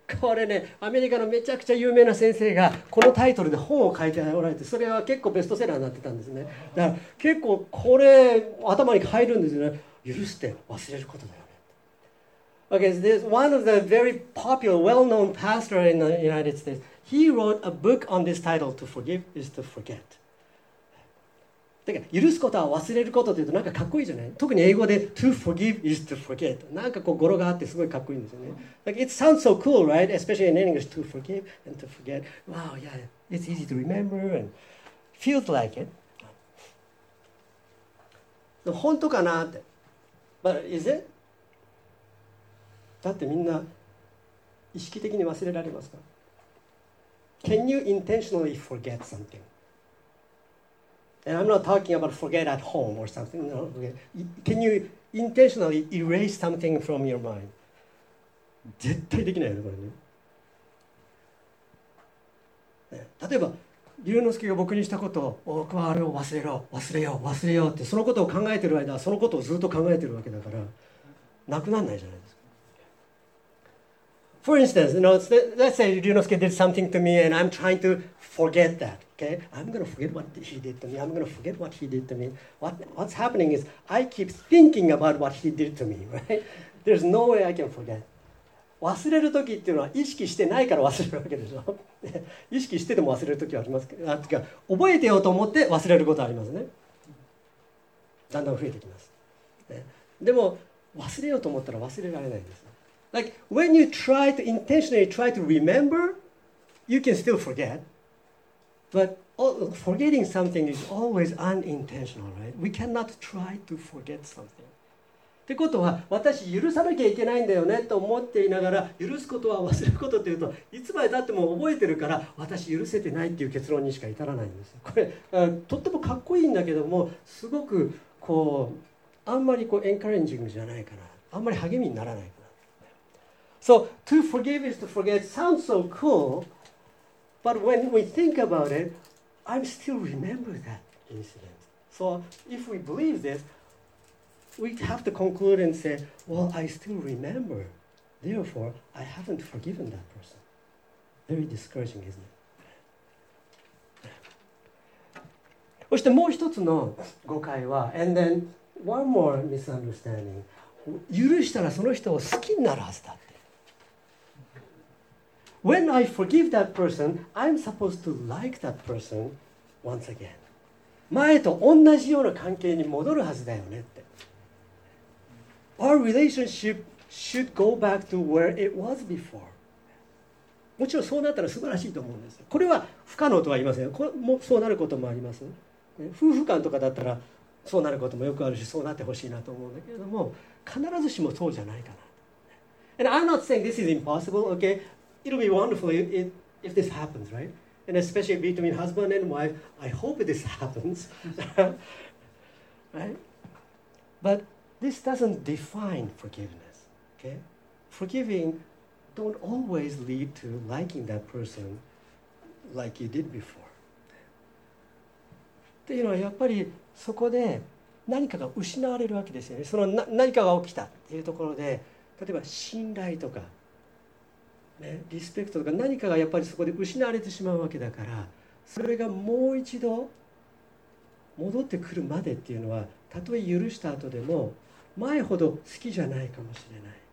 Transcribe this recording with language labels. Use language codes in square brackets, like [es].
[ja] これね、アメリカのめちゃくちゃ有名な先生がこのタイトルで本を書いておられて、それは結構ベストセラーになってたんですね。だから結構これ頭に入るんですよね。許して忘れることだよね。 [en] Okay, so this one of the very popular, well-known pastor in the United States. He wrote a book on this title, To Forgive is to Forget. [ja] だから許すことは忘れることというとなんかかっこいいじゃない。特に英語で [en] To forgive is to forget、 [ja] なんかこう語呂があってすごいかっこいいんですよね。 [en] Like, It sounds so cool, right? Especially in English, To forgive and to forget. Wow, yeah, it's easy to remember and feels like it. [ja] 本当かなって。 [en] But is it? [ja] だってみんな意識的に忘れられますか。 [en] Can you intentionally forget something? And I'm not talking about forget at home or something. No, can you intentionally erase something from your mind? [ja] 絶対できないよね、これね。例えば、龍之介が僕にしたことを、僕はあれを忘れろ、忘れよう、忘れようって、そのことを考えてる間はそのことをずっと考えてるわけだから、なくならないじゃないですか。 [en] For instance, you know, let's say 龍之介 did something to me and I'm trying to forget that. Okay, I'm going to forget what he did to me. I'm going to forget what he did to me. What's happening is I keep thinking about what he did to me, right? There's no way I can forget. [ja] 忘れる時っていうのは意識してないから忘れるわけでしょ。意識してても忘れる時はありますけど、てか覚えてようと思って忘れることありますね。だんだん増えてきます、ね。でも忘れようと思ったら忘れられないんです。 [en] Like when you try to intentionally try to remember, you can still forget. But forgetting something is always unintentional, right? We cannot try to forget something. [ja] ってことは、私許さなきゃいけないんだよねと思っていながら、許すことは忘れることというと、いつまでたっても覚えてるから、私許せてないっていう結論にしか至らないんです。これ、とってもかっこいいんだけども、すごくこう、あんまりこうエンカレンジングじゃないかな。あんまり励みにならないかな。 [en] So, to forgive is to forget sounds so cool. But when we think about it, I still remember that incident. So if we believe this, we have to conclude and say, well, I still remember. Therefore, I haven't forgiven that person. Very discouraging, isn't it? [ja] そしてもう一つの誤解は、 [en] and then one more misunderstanding. [ja] 許したらその人を好きになるはずだ。 [en] When I forgive that person, I'm supposed to like that person once again. [ja] 前と同じような関係に戻るはずだよねって。 [en] Our relationship should go back to where it was before. [ja] もちろんそうなったら素晴らしいと思うんです。これは不可能とは言いません。そうなることもあります。夫婦間とかだったらそうなることもよくあるし、そうなってほしいなと思うんだけれども、必ずしもそうじゃないかな。 [en] And I'm not saying this is impossible, okay? It'll be wonderful if this happens, right? And especially between husband and wife, I hope this happens, right? But this doesn't define forgiveness, okay? Forgiving don't always lead to liking that person like you did before. [ja] っていうのはやっぱりそこで何かが失われるわけですよね。その何かが起きたっていうところで、例えば信頼とか、リスペクトとか何かがやっぱりそこで失われてしまうわけだから、それがもう一度戻ってくるまでっていうのは、たとえ許した後でも前ほど好きじゃないかもしれない。